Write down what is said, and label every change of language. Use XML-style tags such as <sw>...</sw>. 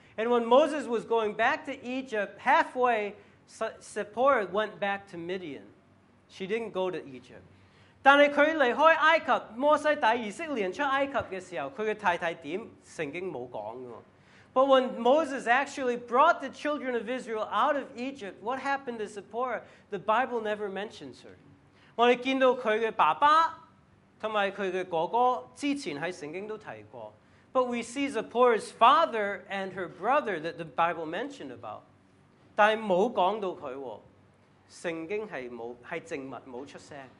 <en>And when Moses was going back to Egypt, halfway, Zipporah went back to Midian. She didn't go to Egypt.</en> <zh>但是他离开埃及，摩西第24年出埃及的时候，他的太太点，圣经没有讲的。</zh> <en>But when Moses actually brought the children of Israel out of Egypt, what happened to Zipporah? The Bible never mentions her.</en> <zh>我们看到他的爸爸和他的哥哥之前在圣经都提过。</zh> <en>But we see Zipporah's father and her brother that the Bible mentioned about.</en> <zh>但是没有讲到他，圣经是静默，没有出声。</zh>